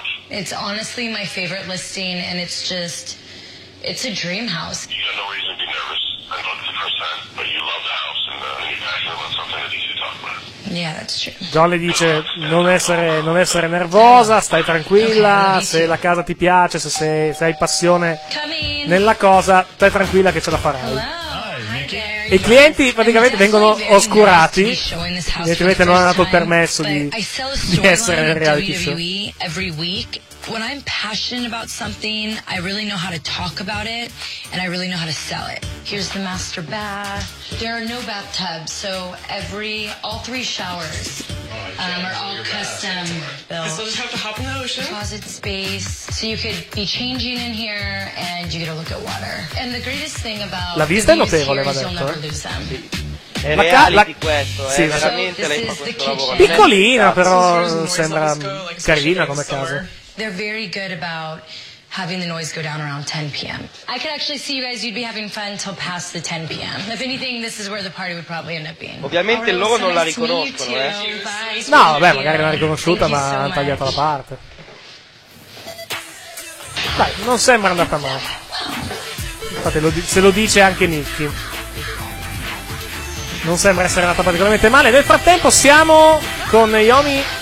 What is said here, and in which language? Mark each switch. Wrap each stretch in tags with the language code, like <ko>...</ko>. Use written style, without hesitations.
<en>It's honestly my favorite listing, and it's a dream house. You got no reason to be nervous. I know it's the first time, but you love the house, and you're passionate about something that you talk about. Yeah, that's true.</en> <it>Jolly dice, non essere nervosa, stai tranquilla, okay, se la casa ti piace, se hai passione nella cosa, stai tranquilla che ce la farai.</it> <en>Hello.</en> <it>I clienti praticamente vengono oscurati, evidentemente non hanno dato il permesso di essere nel reality show.</it> <en>Every week when I'm passionate about something, I really know how to talk about it and I really know how to sell it. Here's the master bath. There are no bathtubs, so all three showers are all custom built. So just have to hop in the ocean. Closet space, so you could be changing in here and you get a look at water. And the greatest thing about</en> <it>la vista è notevole, va detto. Sì, veramente lei fa questo lavoro. Piccolina, però sembra carina come casa.</it> <en>They're very good about having the noise go down around 10 p.m. I could actually see you guys, you'd be having fun till past the 10 p.m. If anything, this is where the party would probably end up being.</en> <it>Ovviamente right, loro non la riconoscono, No, vabbè, magari l'ha riconosciuta, ma ha tagliato la parte. Dai, non sembra andata male. Infatti, se lo dice anche Nicky. Non sembra essere andata particolarmente male. Nel frattempo siamo con Naomi</it>